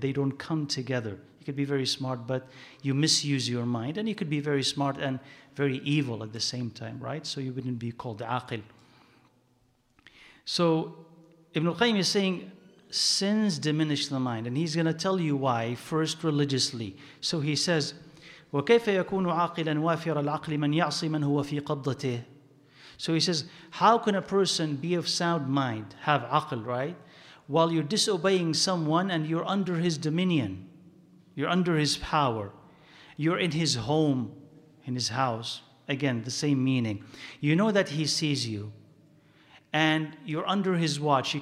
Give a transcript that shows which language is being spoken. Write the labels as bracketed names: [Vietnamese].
[English] They don't come together. You could be very smart, but you misuse your mind. And you could be very smart and very evil at the same time, right? So you wouldn't be called aqil. So Ibn al-Qayyim is saying, sins diminish the mind. And he's going to tell you why, first religiously. So he says, [Arabic] وَكَيْفَ يَكُونُ عَاقِلًا وَافِرَ الْعَقْلِ مَنْ يَعْصِي مَنْ هُوَ فِي قَبْضَتِهِ. [English] So he says, how can a person be of sound mind, have aql, right? While you're disobeying someone and you're under his dominion, you're under his power, you're in his home, in his house. Again, the same meaning. You know that he sees you and you're under his watch.